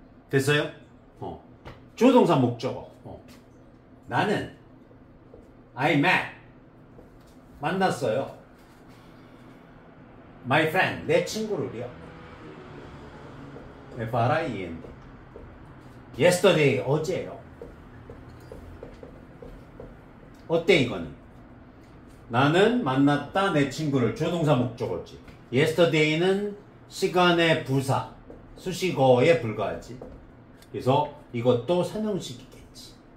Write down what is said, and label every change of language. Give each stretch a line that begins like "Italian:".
Korean: 됐어요? 어. 조동사 목적어. 어. 나는
English: I met
Korean: 만났어요.
English: My friend
Korean: 내 친구를요.
English: F-R-I-E-N-D Yesterday
Korean: 어제요. 어때 이거는? 나는 만났다 내 친구를 조동사 목적어지. Yesterday는 시간의 부사 수식어에 불과하지. 그래서 이것도 선형식이겠지.